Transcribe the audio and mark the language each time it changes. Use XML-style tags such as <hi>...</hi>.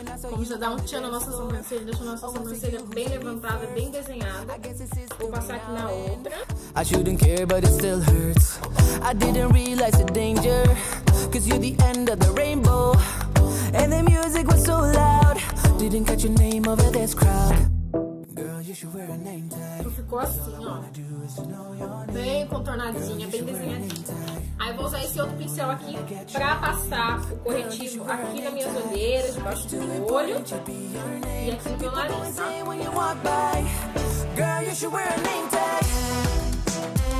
<pt>Como já dá um tchan na nossa sobrancelha, deixa a nossa sobrancelha bem levantada, bem desenhada. Vou passar aqui na outra.</pt> <en>I shouldn't care, but it still hurts. I didn't realize the danger, 'cause you're the end of the rainbow. And the music was so loud, didn't catch your name over this crowd. Girl, you should wear a name tag.</en> <pt>Então ficou assim, ó. Bem contornadinha, bem desenhadinha. Aí vou usar esse outro pincel aqui pra passar o corretivo aqui nas minhas olheiras, debaixo do meu olho e aqui no meu nariz, tá?</pt> <en>Girl, you should wear a name tag.</en>